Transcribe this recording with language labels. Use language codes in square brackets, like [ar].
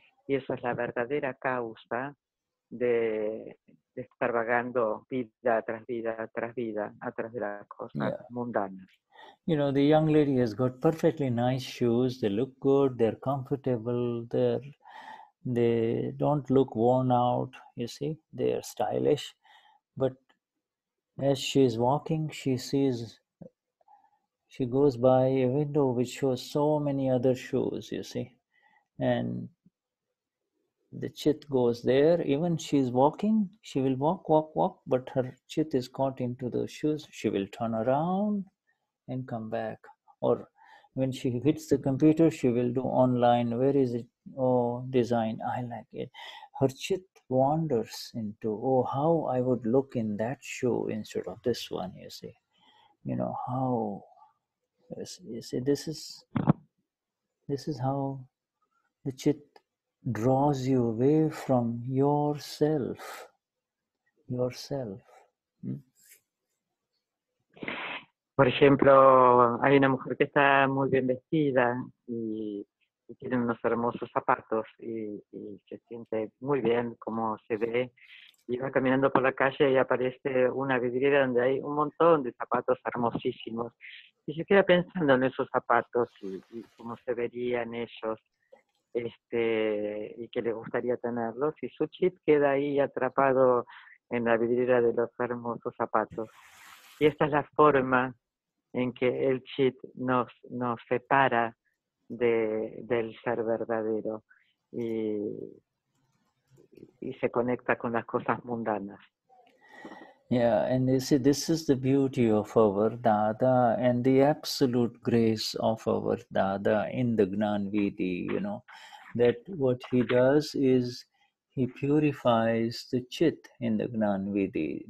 [es] Y eso es la verdadera causa de estar vagando vida tras vida tras vida atrás de las cosas mundanas. [en] You know, the young lady has got perfectly nice shoes, they look good, they're comfortable, they don't look worn out, you see, they're stylish. But as she's walking, she goes by a window which shows so many other shoes, you see. And the chit goes there, even she's walking, she will walk, but her chit is caught into the shoes, she will turn around and come back. Or when she hits the computer, she will do online, where is it? Oh, design, I like it. Her chit wanders into, oh, how I would look in that shoe instead of this one, you see. You know, how, you see, this is how the chit draws you away from yourself. [es] Por ejemplo, hay una mujer que está muy bien vestida y tiene unos hermosos zapatos y se siente muy bien como se ve. Y va caminando por la calle y aparece una vidriera donde hay un montón de zapatos hermosísimos. Y se queda pensando en esos zapatos y cómo se verían ellos, y que le gustaría tenerlos. Y su chip queda ahí atrapado en la vidriera de los hermosos zapatos. Y esta es la forma en que el chit nos separa del ser verdadero y se conecta con las cosas mundanas. [en] Yeah, and you see, this is the beauty of our Dada and the absolute grace of our Dada in the Gnanvidhi, you know, that what he does is he purifies the chit in the Gnanvidhi.